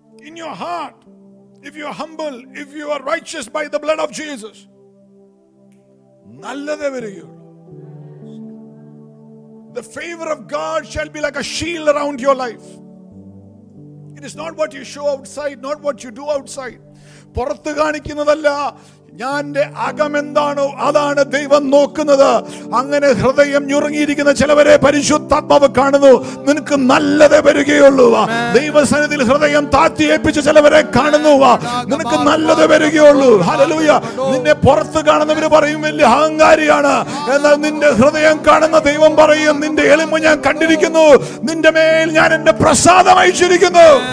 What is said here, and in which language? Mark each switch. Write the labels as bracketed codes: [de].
[en] in your heart if you are humble if you are righteous by the blood of Jesus [ml] നല്ലതേ വരികയുള്ളൂ [en] The favor of God shall be like a shield around your life. It is not what you show outside, not what you do outside. [ml] പുറത്തു കാണിക്കുന്നതല്ല ഞാൻ്റെ അകമെന്താണോ അതാണ് ദൈവം നോക്കുന്നത് അങ്ങനെ ഹൃദയം ഞുറങ്ങിയിരിക്കുന്ന ചിലവരെ പരിശുദ്ധാത്മാവ് കാണുന്നു നിനക്ക് നല്ലത് വരികയുള്ളൂ ദൈവസന്നിധിയിൽ ഹൃദയം താത്തി ഏൽപ്പിച്ച ചിലവരെ കാണുന്നു നിനക്ക് നല്ലത് വരികയുള്ളൂ ഹല്ലേലൂയ നിന്നെ പുറത്തു കാണുന്നവര് പറയും വലിയ അഹങ്കാരിയാണ് എന്നാൽ നിന്റെ ഹൃദയം കാണുന്ന ദൈവം പറയും നിന്റെ എളിമ ഞാൻ കണ്ടിരിക്കുന്നു നിന്റെ മേൽ ഞാൻ എന്റെ പ്രസാദം അയച്ചിരിക്കുന്നു